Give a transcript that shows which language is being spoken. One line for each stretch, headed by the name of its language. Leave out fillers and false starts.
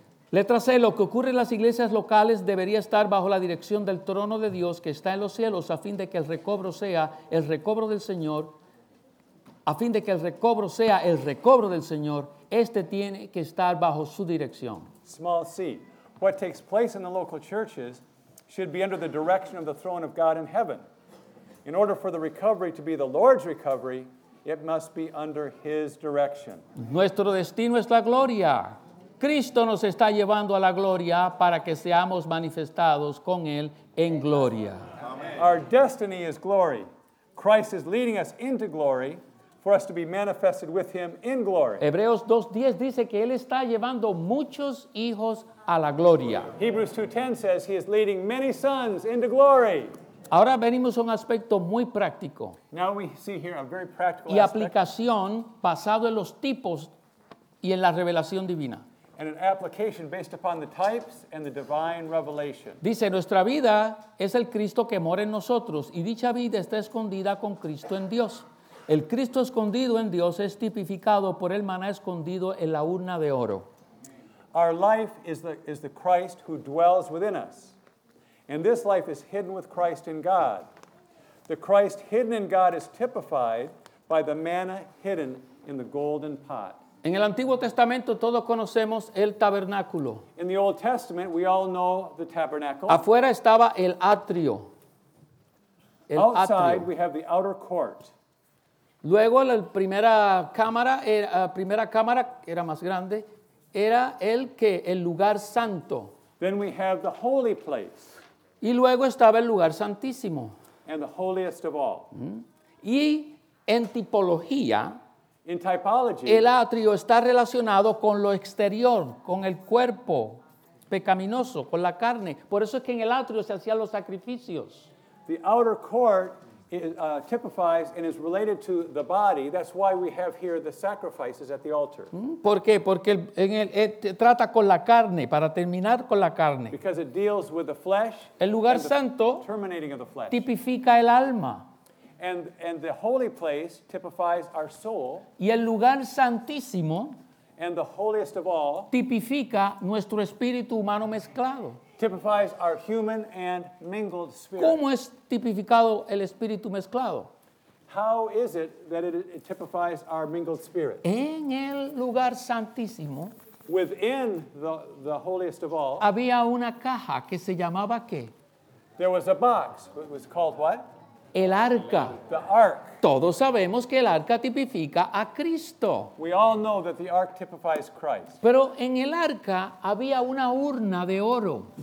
Spanish: Letra C, lo que ocurre en las iglesias locales debería estar bajo la dirección del trono de Dios que está en los cielos a fin de que el recobro sea el recobro del Señor. A fin de que el recobro sea el recobro del Señor, este tiene que estar bajo su dirección.
English: Small C, what takes place in the local churches should be under the direction of the throne of God in heaven. In order for the recovery to be the Lord's recovery, it must be under his direction.
Spanish: Nuestro destino es la gloria. Cristo nos está llevando a la gloria para que seamos manifestados con él en gloria.
English: Amen. Our destiny is glory. Christ is leading us into glory for us to be manifested with him in glory.
Spanish: Hebreos 2:10 dice que él está llevando muchos hijos a la gloria.
English: Hebrews 2:10 says he is leading many sons into glory.
Spanish: Ahora venimos a un aspecto muy práctico.
English: Now we see here a very practical
Spanish: y aplicación
English: aspect.
Spanish: Basado en los tipos y en la revelación divina.
English: And an application based upon the types and the divine revelation.
Spanish: Dice, nuestra vida es el Cristo que mora en nosotros y dicha vida está escondida con Cristo en Dios. El Cristo escondido en Dios es tipificado por el maná escondido en la urna de oro.
English: Our life is the Christ who dwells within us. And this life is hidden with Christ in God. The Christ hidden in God is typified by the manna hidden in the golden pot.
Spanish: En el Antiguo Testamento todos conocemos el tabernáculo.
English: In the Old Testament, we all know the tabernacle.
Spanish: Afuera estaba el atrio.
English: Outside, we have the outer court.
Spanish: Luego, la primera cámara era más grande, era el lugar santo.
English: Then we have the holy place.
Spanish: Y luego estaba el lugar santísimo.
English: And the holiest of all.
Spanish: Y en tipología,
English: in typology,
Spanish: el atrio está relacionado con lo exterior, con el cuerpo pecaminoso, con la carne. Por eso es que en el atrio se hacían los sacrificios.
English: The outer court typifies and is related to the body. That's why we have here the sacrifices at the altar.
Spanish: ¿Por qué? Porque trata con la carne, para terminar con la carne.
English: Because it deals with the flesh.
Spanish: El lugar santo,
English: terminating of the flesh,
Spanish: tipifica el alma.
English: And the holy place typifies our soul.
Spanish: Y el lugar santísimo,
English: and the holiest of all,
Spanish: tipifica nuestro espíritu humano mezclado.
English: typifies our human and mingled spirit.
Spanish: ¿Cómo es tipificado el espíritu mezclado?
English: How is it that it typifies our mingled spirit?
Spanish: En el lugar santísimo,
English: within the holiest of all,
Spanish: había una caja que se llamaba qué?
English: There was a box. It was called what?
Spanish: El arca.
English: The ark.
Spanish: Todos sabemos que el arca tipifica a Cristo.
English: We all know that the ark typifies Christ.
Spanish: Pero en el arca había una urna de oro.